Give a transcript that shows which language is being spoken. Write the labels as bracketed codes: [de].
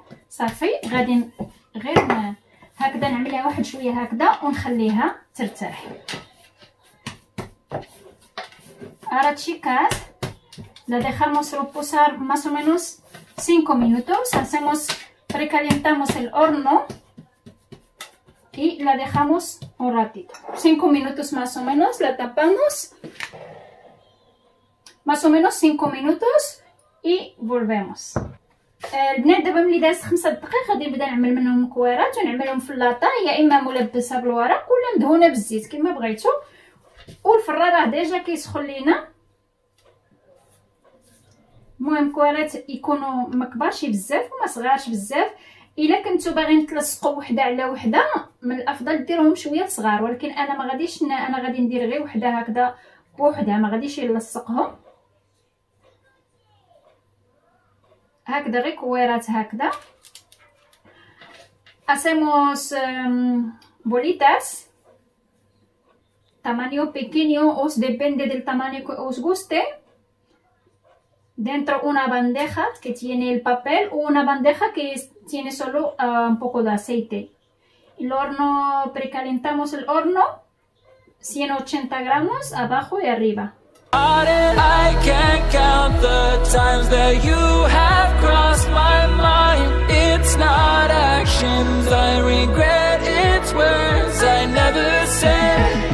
[ar] صافي غادي غير هكذا نعملها واحد شوية هكذا ونخليها ترتاح. [es] Ahora chicas, la dejamos reposar más o menos 5 minutos, hacemos, precalentamos el horno y la dejamos un ratito, 5 minutos más o menos, la tapamos, más o menos 5 minutos y volvemos. [ar] البنات دابا ملي داز 5 دقائق غادي نبدا نعمل منهم كويرات ونعملهم في لاطا، يا اما ملبسه بالورق ولا مدهونه بالزيت كما بغيتو. والفران راه ديجا كيسخن لينا. المهم كوارات يكونوا مكبرش بزاف وما صغارش بزاف، الا كنتو باغين تلصقوا وحده على وحده من الافضل ديرهم شويه صغار، ولكن انا ما غاديش، انا غادي ندير غير وحده هكذا بوحدها ما غاديش نلصقهم هكذا غير كوارات هكذا. [es] اسيموس بوليتاس tamaño pequeño, os depende del tamaño que os guste, dentro una bandeja que tiene el papel o una bandeja que tiene solo un poco de aceite. El horno, precalentamos el horno, 180 gramos abajo y arriba. [en] I can't count the times that you have crossed my mind. It's not actions I regret, it's words I never said.